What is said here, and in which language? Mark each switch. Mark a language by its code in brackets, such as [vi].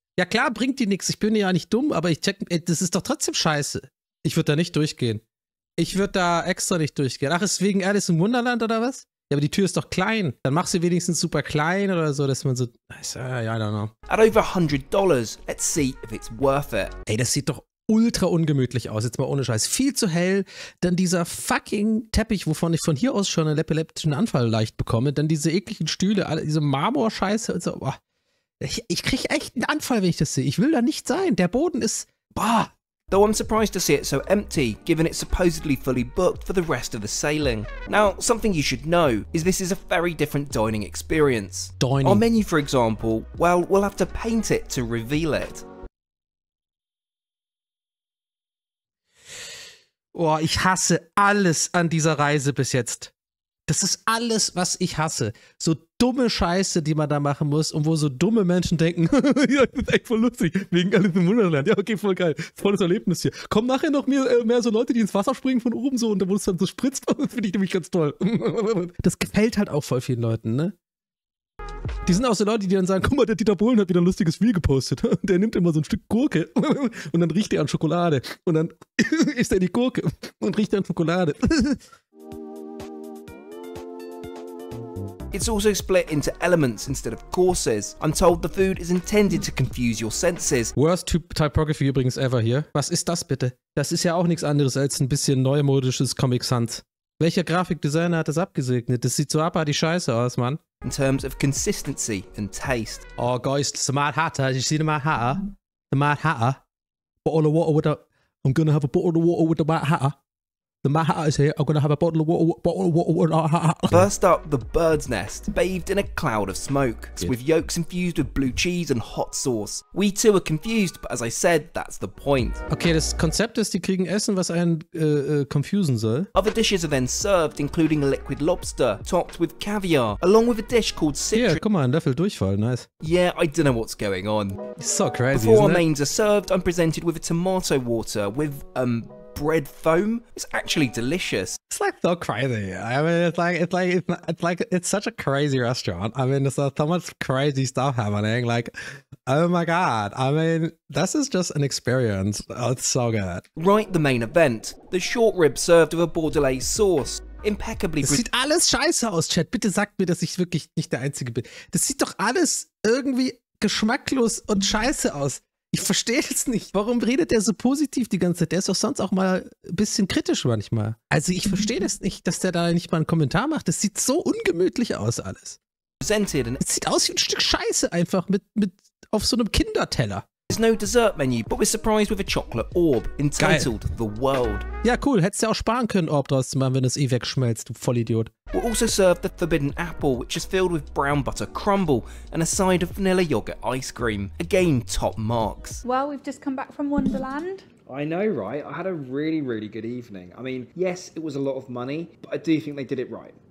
[de] Ja klar, bringt die nichts. Ich bin ja nicht dumm, aber ich check, ey, das ist doch trotzdem scheiße. Ich würde da nicht durchgehen. Ich würde da extra nicht durchgehen. Ach, ist wegen Alice im Wunderland oder was? Ja, aber die Tür ist doch klein. Dann mach sie wenigstens super klein oder so, dass man so... [en] I don't know. At over $100, let's see if it's worth it. [de] Ey, das sieht doch ultra ungemütlich aus, jetzt mal ohne Scheiß. Viel zu hell, dann dieser fucking Teppich, wovon ich von hier aus schon einen epileptischen Anfall leicht bekomme. Dann diese ekligen Stühle, diese Marmorscheiße und so. Boah. Ich krieg echt einen Anfall, wenn ich das sehe. Ich will da nicht sein. Der Boden ist... Boah. [en] Though I'm surprised to see it so empty, given it's supposedly fully booked for the rest of the sailing. Now, something you should know is this is a very different dining experience. Dining. Our menu, for example, well, we'll have to paint it to reveal it. [de] Boah, ich hasse alles an dieser Reise bis jetzt. Das ist alles, was ich hasse. So dumme Scheiße, die man da machen muss und wo so dumme Menschen denken, ja, das ist echt voll lustig, wegen Alice im Wunderland. Ja, okay, voll geil. Volles Erlebnis hier. Kommen nachher noch mehr so Leute, die ins Wasser springen von oben so und wo es dann so spritzt. Das finde ich nämlich ganz toll. Das gefällt halt auch voll vielen Leuten, ne? Die sind auch so Leute, die dann sagen, guck mal, der Dieter Bohlen hat wieder ein lustiges Reel gepostet. Der nimmt immer so ein Stück Gurke und dann riecht er an Schokolade. Und dann isst er die Gurke und riecht an Schokolade. [en] It's also split into elements instead of courses. I'm told the food is intended to confuse your senses. [de] Worst typography übrigens ever hier. Was ist das bitte? Das ist ja auch nichts anderes als ein bisschen neumodisches Comic Sans. Welcher Grafikdesigner hat das abgesegnet? Das sieht so abartig scheiße aus, Mann. [en] In terms of consistency and taste. Oh, guys, it's a mad hatter. Did you see the mad hatter? The mad hatter. Bottle of water with a... I'm gonna have a bottle of water with the mad hatter. The Maha is here, I'm gonna have a bottle of water. First up, the bird's nest, bathed in a cloud of smoke, yeah. With yolks infused with blue cheese and hot sauce. We too are confused, but as I said, that's the point. [de] Okay, das Konzept ist, die kriegen Essen, was einen confusen soll. [en] Other dishes are then served, including a liquid lobster, topped with caviar, along with a dish called citrus. Yeah, come on, Löffel Durchfall, nice. Yeah, I don't know what's going on. It's so crazy, Before isn't it? Before our mains are served, I'm presented with a tomato water with, bread foam is actually delicious. It's like so crazy. I mean, it's such a crazy restaurant. I mean, there's so much crazy stuff happening. Like, oh my god. I mean, this is just an experience. Oh, it's so good. Right, the main event. The short rib served with a bordelaise sauce. Impeccably. [de] Das sieht alles scheiße aus, Chat. Bitte sagt mir, dass ich wirklich nicht der Einzige bin. Das sieht doch alles irgendwie geschmacklos und scheiße aus. Ich verstehe es nicht. Warum redet der so positiv die ganze Zeit? Der ist doch sonst auch mal ein bisschen kritisch manchmal. Also ich verstehe das nicht, dass der da nicht mal einen Kommentar macht. Das sieht so ungemütlich aus alles. Es sieht aus wie ein Stück Scheiße einfach mit auf so einem Kinderteller. [en] There's no dessert menu, but we're surprised with a chocolate orb entitled [de] Geil. [en] The World. [de] Ja, cool. Hättest du auch sparen können, Orb draus zu machen, wenn es eh wegschmelzt, du Vollidiot. [en] We'll also serve the forbidden apple, which is filled with brown butter crumble and a side of vanilla yogurt ice cream. Again, top marks. Well, we've just come back from Wonderland. I know, right? I had a really, really good evening. I mean, yes, it was a lot of money, but I do think they did it right.